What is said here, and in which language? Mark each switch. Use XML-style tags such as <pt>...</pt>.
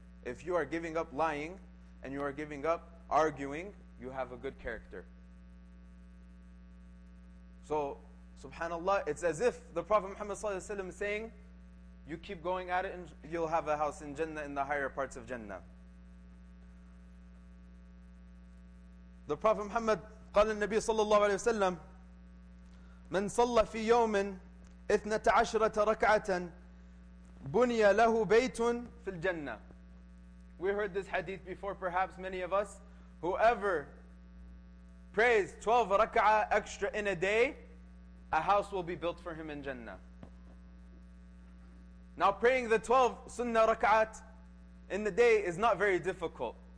<en>If you are giving up lying and you are giving up arguing, you have a good character. So, subhanAllah, it's as if the Prophet Muhammad sallallahu alaihi wasallam is saying, you keep going at it and you'll have a house in Jannah, in the higher parts of Jannah. The Prophet Muhammad</en> <ar>قال النبي صلى الله عليه وسلم من صلى في يوم 12 ركعة بني له بيت في الجنة.</ar> <en>We heard this hadith before, perhaps many of us. Whoever prays 12 rak'ah extra in a day, a house will be built for him in Jannah. Now praying the 12 sunnah rak'at in the day is not very difficult.</en>